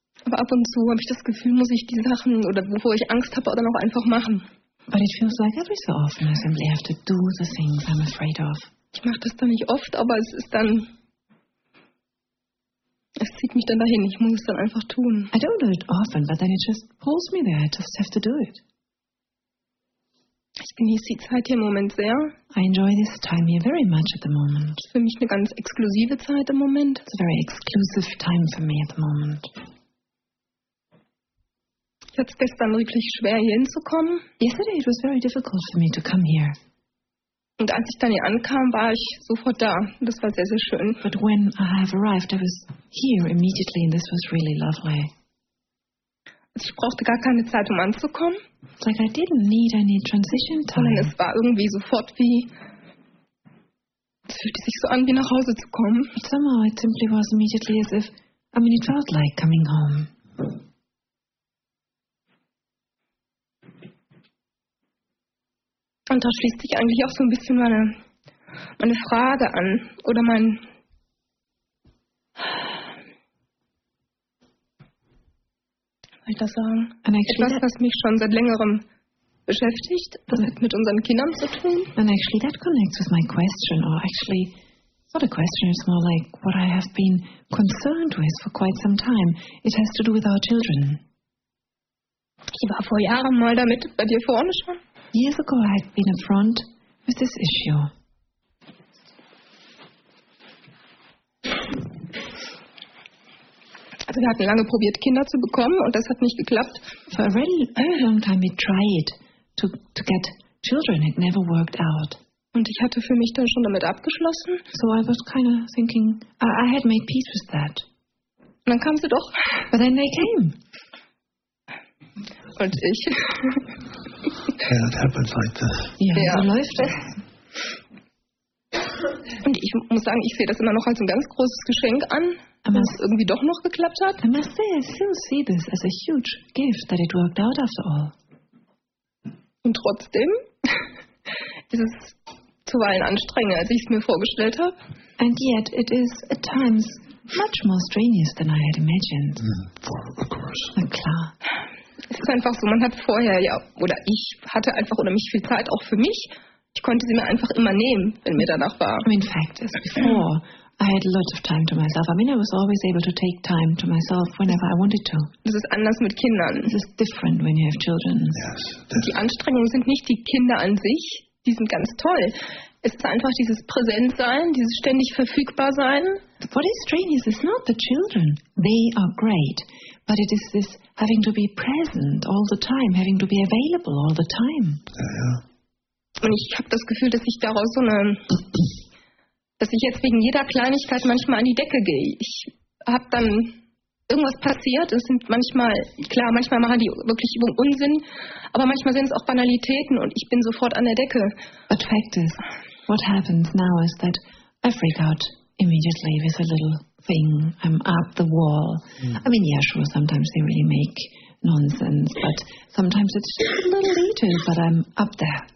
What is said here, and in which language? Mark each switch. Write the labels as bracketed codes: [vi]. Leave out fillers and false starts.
[de] Ab und zu habe ich das Gefühl, muss ich die Sachen oder wovor ich Angst habe, dann auch einfach machen. [en] But it feels like every so often I simply have to do the things I'm afraid of. [de] Ich mache das dann nicht oft, aber es ist dann, es zieht mich dann dahin. Ich muss es dann einfach tun. [en] I don't do it often, but then it just pulls me there. I just have to do it. [de] Ich genieße die Zeit hier im Moment sehr. [en] I enjoy this time here very much at the moment. [de] Es ist für mich eine ganz exklusive Zeit im Moment. [en] It's a very exclusive time for me at the moment. [de] Ich hatte es gestern wirklich schwer, hier hinzukommen. [en] Yesterday it was very difficult for me to come here. [de] Und als ich dann hier ankam, war ich sofort da. Das war sehr, sehr schön. [en] But when I have arrived, I was here immediately and this was really lovely. [de] Also ich brauchte gar keine Zeit, um anzukommen. [en] It's like I didn't need any transition time. [de] Sondern es war irgendwie sofort wie, es fühlte sich so an, wie nach Hause zu kommen. [en] But somehow it simply was immediately as if, I mean, it felt like coming home. [de] Und da schließt sich eigentlich auch so ein bisschen meine Frage an oder mein etwas, was mich schon seit längerem beschäftigt, das hat mit unseren Kindern zu tun. [en] And actually that connects with my question, or actually it's not a question, it's more like what I have been concerned with for quite some time. It has to do with our children. [de] Ich war vor Jahren mal damit bei dir vorne schon. [en] Years ago, I had been in front with this issue. [de] Also, wir hatten lange probiert, Kinder zu bekommen, und das hat nicht geklappt. [en] For a very, very long time, we tried to get children. It never worked out. [de] Und ich hatte für mich dann schon damit abgeschlossen. [en] So I was kind of thinking, I had made peace with that. [de] Und dann kamen sie doch. [en] But then they came. [de] Und ich. [en] Yeah, it happens like this. [de] Ja, so läuft das. Und ich muss sagen, ich sehe das immer noch als ein ganz großes Geschenk an, dass es irgendwie doch noch geklappt hat. [en] I must say, I still see this as a huge gift that it worked out after all. [de] Und trotzdem ist es zuweilen anstrengender, als ich es mir vorgestellt habe. [en] And yet it is at times much more strenuous than I had imagined. Of course. [de] Na klar. Es ist einfach so, man hat vorher, ja, oder ich hatte einfach unheimlich viel Zeit, auch für mich. Ich konnte sie mir einfach immer nehmen, wenn mir danach war. [en] In fact, as before, I had lots of time to myself. I mean, I was always able to take time to myself whenever I wanted to. [de] Das ist anders mit Kindern. [en] This is different when you have children. Yes. [de] Die Anstrengungen sind nicht die Kinder an sich, die sind ganz toll. Es ist einfach dieses Präsentsein, dieses ständig verfügbar sein. [en] What is strange is not the children. They are great. But it is this having to be present all the time, having to be available all the time. [de] Ja, ja. Und ich habe das Gefühl, dass ich daraus so eine, dass ich jetzt wegen jeder Kleinigkeit manchmal an die Decke gehe. Ich habe dann irgendwas passiert. Es sind manchmal, klar, manchmal machen die wirklich Unsinn, aber manchmal sind es auch Banalitäten und ich bin sofort an der Decke. [en] But fact is, what happens now is that I freak out immediately with a little thing. I'm up the wall. Mm. I mean, yeah, sure, sometimes they really make nonsense, but sometimes it's just a little detail, but I'm up there.